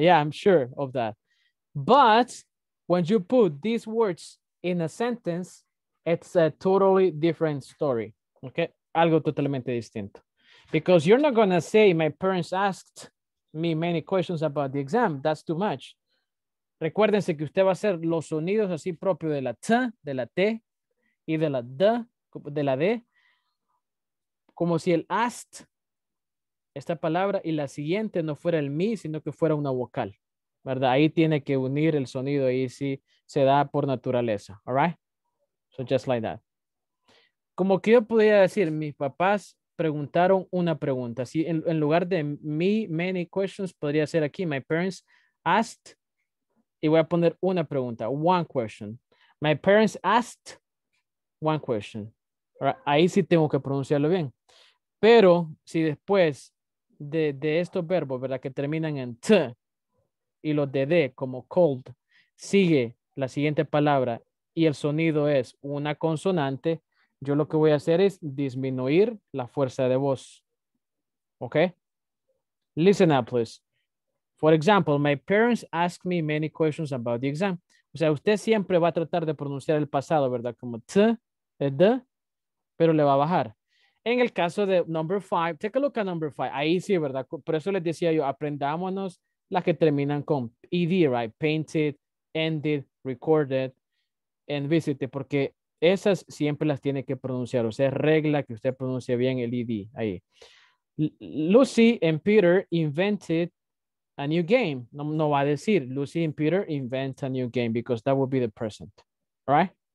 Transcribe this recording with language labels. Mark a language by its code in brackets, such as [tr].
[en] Yeah, I'm sure of that. But when you put these words in a sentence, it's a totally different story. Okay? [es] Algo totalmente distinto. [en] Because you're not going to say, my parents asked me many questions about the exam. That's too much. [es] Recuérdense que usted va a hacer los sonidos así propio de la T, de la T, y de la D, como si el asked, esta palabra, y la siguiente no fuera el mi, sino que fuera una vocal, ¿verdad? Ahí tiene que unir el sonido, ahí sí se da por naturaleza, [en] all right? So just like that. [es] Como que yo podría decir, mis papás preguntaron una pregunta, si en lugar de me, [en] many questions, [es] podría ser aquí, [en] my parents asked, [es] y voy a poner una pregunta, [en] one question. My parents asked one question. Right. [es] Ahí sí tengo que pronunciarlo bien. Pero si después de estos verbos, ¿verdad? Que terminan en T y los de D como cold, sigue la siguiente palabra y el sonido es una consonante, yo lo que voy a hacer es disminuir la fuerza de voz. [en] ¿Ok? Listen up, please. For example, my parents asked me many questions about the exam. [es] O sea, usted siempre va a tratar de pronunciar el pasado, ¿verdad? Como T, D, pero le va a bajar. En el caso de number five, take a look at number five. Ahí sí, ¿verdad? Por eso les decía yo, aprendámonos las que terminan con ED, right? Painted, ended, recorded, and visited, porque esas siempre las tiene que pronunciar. O sea, es regla que usted pronuncie bien el ED ahí. [en] Lucy and Peter invented a new game. [es] No va a decir [en] Lucy and Peter invent a new game because that would be the present, right?